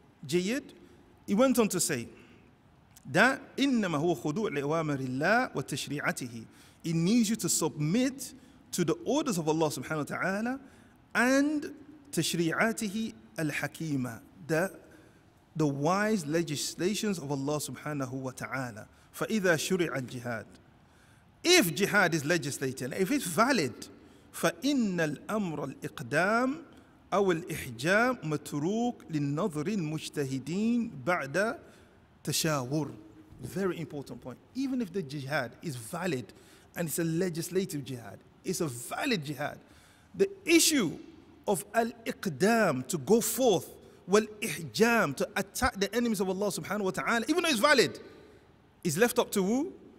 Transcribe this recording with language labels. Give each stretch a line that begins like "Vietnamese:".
English: Jayyid, he went on to say, that
Arabic: innama huwa khudu' li'awamirillah wa tashri'atihi.
English: It needs you to submit to the orders of Allah subhanahu wa ta'ala and
Arabic: tashri'atihi al-hakima,
English: the wise legislations of Allah subhanahu wa ta'ala.
Arabic: فَإِذَا شُرِعَ الْجِهَادِ.
English: If jihad is legislated, if it's valid,
Arabic: فَإِنَّ الْأَمْرَ الْإِقْدَامِ أَوْ الْإِحْجَامِ مَتْرُوكُ لِلنَّظْرِ الْمُجْتَهِدِينَ بَعْدَ تَشَاوُرُ.
English: Very important point. Even if the jihad is valid, and it's a legislative jihad, it's a valid jihad, the issue of al-iqdam, to go forth, wal-ihjam, to attack the enemies of Allah subhanahu wa ta'ala, even though it's valid, is left up to who?